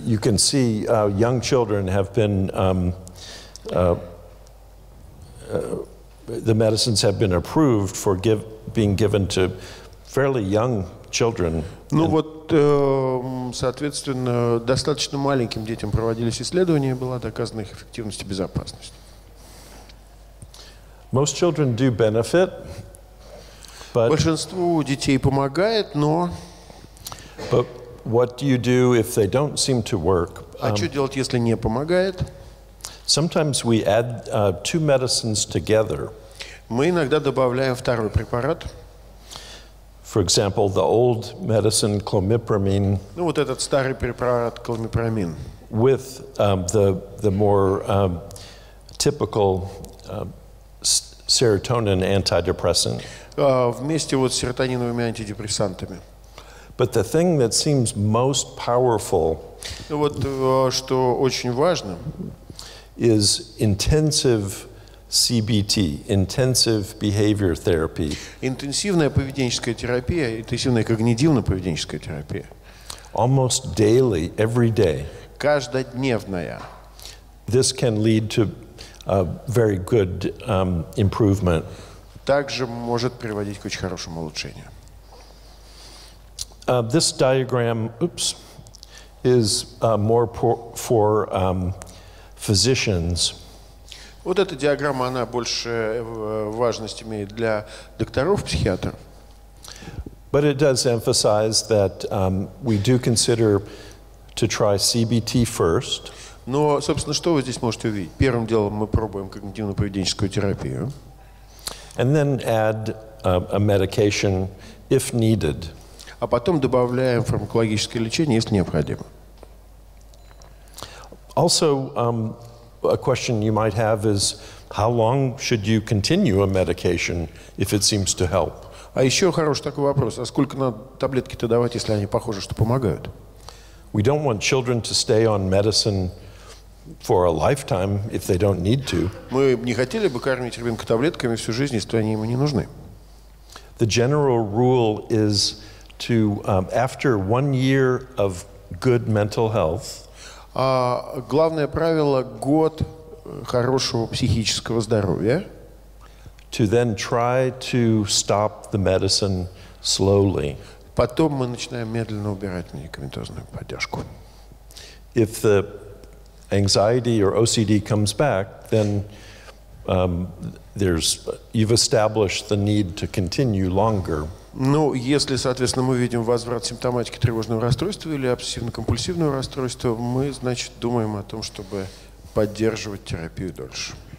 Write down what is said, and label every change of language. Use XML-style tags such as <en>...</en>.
<en>you can see young children have been, the medicines have been approved for being given to fairly young children.</en> <ru>Ну вот, соответственно, достаточно маленьким детям проводились исследования, была доказана их эффективность и безопасность.</ru> <en>Most children do benefit, but</en> <ru>большинству детей помогает, но</ru> <en>but what do you do if they don't seem to work?</en> <ru>А что делать, если не помогает?</ru> <en>Sometimes we add two medicines together.</en> <ru>Мы иногда добавляем второй препарат.</ru> <en>For example, the old medicine clomipramine.</en> <ru>Ну вот этот старый препарат клонопрамин.</ru> <en>With the more typical serotonin antidepressant.</en> <ru>Вместе вот с серотониновыми антидепрессантами.</ru> <en>But the thing that seems most powerful.</en> <ru>Ну вот что очень важно.</ru> <en>Is intensive CBT, intensive behavior therapy.</en> <ru>Интенсивная поведенческая терапия, интенсивная когнитивно-поведенческая терапия.</ru> <en>Almost daily, every day.</en> <ru>Каждодневная.</ru> <en>This can lead to a very good improvement.</en> <ru>Также может приводить к очень хорошему улучшению.</ru> <en>This diagram, is more for physicians.</en> <ru>Вот эта диаграмма, она больше важность имеет для докторов-психиатров.</ru> <en>But it does emphasize that we do consider to try CBT first.</en> <ru>Но, собственно, что вы здесь можете увидеть? Первым делом мы пробуем когнитивно-поведенческую терапию.</ru> <en>And then add a medication if needed.</en> <ru>А потом добавляем фармакологическое лечение, если необходимо.</ru> <en>Also, a question you might have is, how long should you continue a medication if it seems to help?</en> <ru>А еще хороший такой вопрос. А сколько надо таблетки-то давать, если они похожи, что помогают?</ru> <en>We don't want children to stay on medicine for a lifetime if they don't need to.</en> <ru>Мы не хотели бы кормить ребенка таблетками всю жизнь, если они ему не нужны.</ru> <en>The general rule is to, after 1 year of good mental health,</en> <ru>Главное правило – год хорошего психического здоровья.</ru> <en>To then try to stop the medicine slowly.</en> <ru>Потом мы начинаем медленно убирать медикаментозную поддержку.</ru> <en>If the anxiety or OCD comes back, then you've established the need to continue longer.</en> <ru>Ну, если, соответственно, мы видим возврат симптоматики тревожного расстройства или обсессивно-компульсивного расстройства, мы, значит, думаем о том, чтобы поддерживать терапию дольше.</ru>